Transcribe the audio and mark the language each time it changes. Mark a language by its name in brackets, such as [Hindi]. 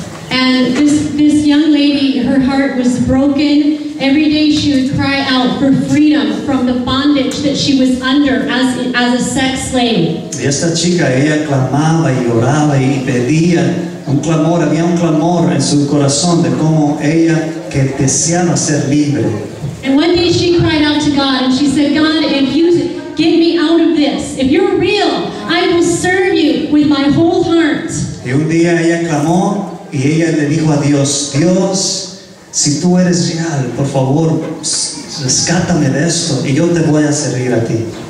[English] And this young lady, her heart was broken. Every day she would cry out for freedom from the bondage that she was under as a sex slave. [Spanish] Y esta chica, ella clamaba y oraba y pedía un clamor, había un clamor en su corazón de cómo ella que deseaba ser libre. [English] And one day she cried out to God and she said, God, if you get me out of this, if you're real, I will serve you with my whole heart. [Spanish] Y un día ella clamó y ella le dijo a Dios, Dios, si tú eres real, por favor, rescátame de esto y yo te voy a servir a ti.